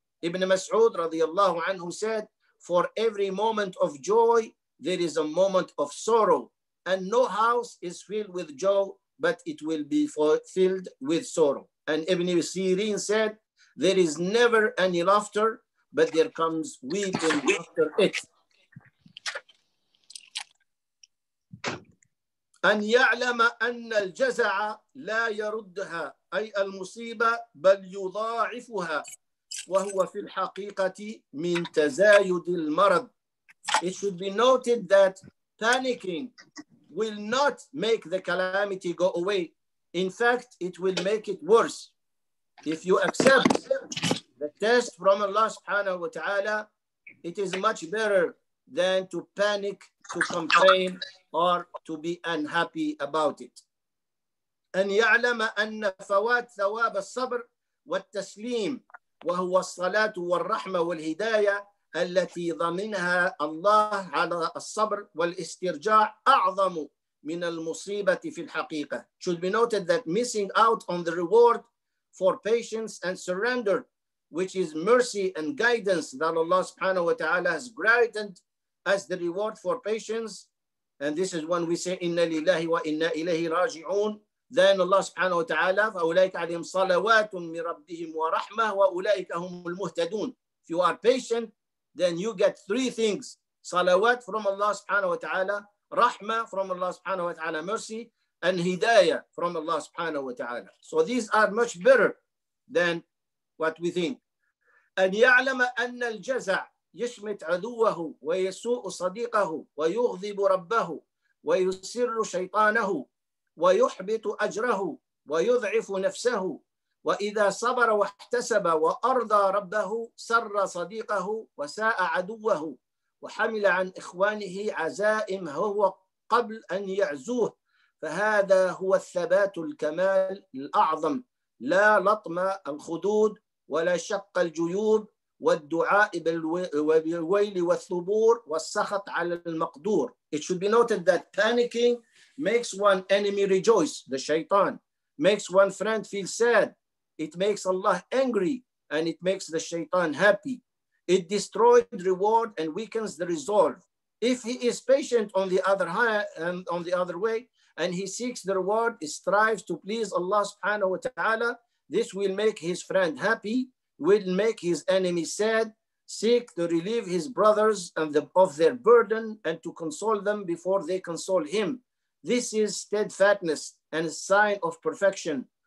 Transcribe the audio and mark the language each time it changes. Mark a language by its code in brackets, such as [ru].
[en] Ibn Mas'ud radiallahu anhu said, for every moment of joy, there is a moment of sorrow. And no house is filled with joy, but it will be filled with sorrow. And Ibn Sirin said, there is never any laughter, but there comes weeping after it. [ar] أن يعلم أن الجزع لا يردها أي المصيبة بل يضاعفها وهو في الحقيقة من تزايد المرض. [en] It should be noted that panicking will not make the calamity go away. In fact, it will make it worse. If you accept the test from Allah subhanahu wa ta'ala, it is much better than to panic, to complain, or to be unhappy about it. [ar] أن يعلم أن فوات ثواب الصبر والتسليم وهو الصلاة والرحمة والهداية التي ضمنها الله على الصبر والاسترجاع أعظم من المصيبة في الحقيقة. [en] Should be noted that missing out on the reward for patience and surrender, which is mercy and guidance that Allah subhanahu wa ta'ala has granted as the reward for patience. And this is when we say, [ar] inna lillahi wa inna ilayhi raji'un. [en] Then Allah subhanahu wa ta'ala, [ar] فَأُولَيْكَ عَلِيْهِمْ صَلَوَاتٌ مِّ رَبِّهِمْ وَرَحْمَةٌ وَأُولَيْكَ هُمُ الْمُهْتَدُونَ. [en] If you are patient, then you get three things. Salawat from Allah subhanahu wa ta'ala, rahmah from Allah subhanahu wa ta'ala, mercy, and hidayah from Allah subhanahu wa ta'ala. So these are much better than what we think. [ar] أن يعلم أن الجزع يشمت عدوه ويسوء صديقه ويغضب ربه ويسر شيطانه ويحبط أجره ويضعف نفسه وإذا صبر واحتسب وأرضى ربه سر صديقه وساء عدوه وحمل عن إخوانه عزائم هو قبل أن يعزوه فهذا هو الثبات الكمال الأعظم لا لطم الخدود ولا شق الجيوب والدعاء بالويل والثبور والسخط على المقدور. [en] It should be noted that panicking makes one enemy rejoice, the shaitan, makes one friend feel sad, it makes Allah angry, and it makes the shaitan happy. It destroys reward and weakens the resolve. If he is patient on the other hand, on the other way, and he seeks the reward, he strives to please Allah subhanahu wa ta'ala, this will make his friend happy, will make his enemy sad, seek to relieve his brothers and of their burden and to console them before they console him. This is steadfastness and a sign of perfection.